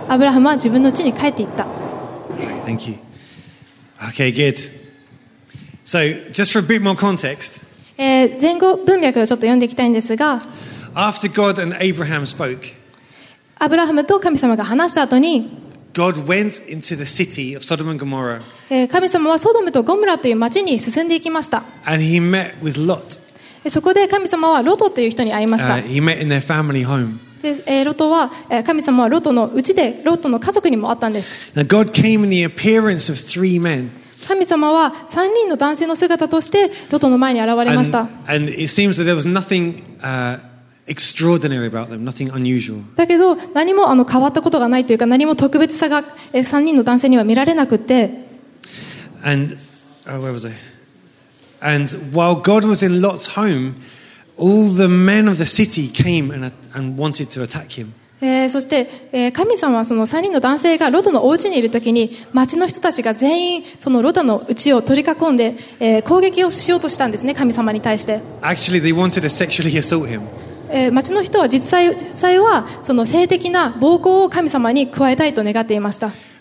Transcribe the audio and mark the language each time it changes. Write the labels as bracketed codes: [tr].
[ja] アブラハムは自分の地に帰っていった。 [en] Thank you. Okay, good. So, just for a bit more context. [ja] 前後文脈をちょっと読んでいきたいんですが、 [en] After God and Abraham spoke, [ja] アブラハムと神様が話した後に、 [en] God went into the city of Sodom and Gomorrah. [ja] 神様はソドムとゴムラという町に進んでいきました。 [en] And he met with Lot. [ja] そこで神様はロトという人に会いました。 [en] He met in their family home. [ja] で、ロトは、神様はロトの家で、ロトの家族にも会ったんです。 [en] Now God came in the appearance of three men. [ja] 神様は三人の男性の姿としてロトの前に現れました。 [en] And it seems that there was nothing, extraordinary about them, nothing unusual. [ja] だけど何も変わったことがないというか、何も特別さが3人の男性には見られなくて。 [en] And, where was I? And while God was in Lot's home, all the men of the city came and wanted to attack him. [ja] そして、神様はその3人の男性がロトのお家にいるときに、町の人たちが全員そのロトの家を取り囲んで、攻撃をしようとしたんですね、神様に対して。 [en] Actually, they wanted to sexually assault him. [ja] 町の人は実際はその性的な暴行を神様に加えたいと願っていました。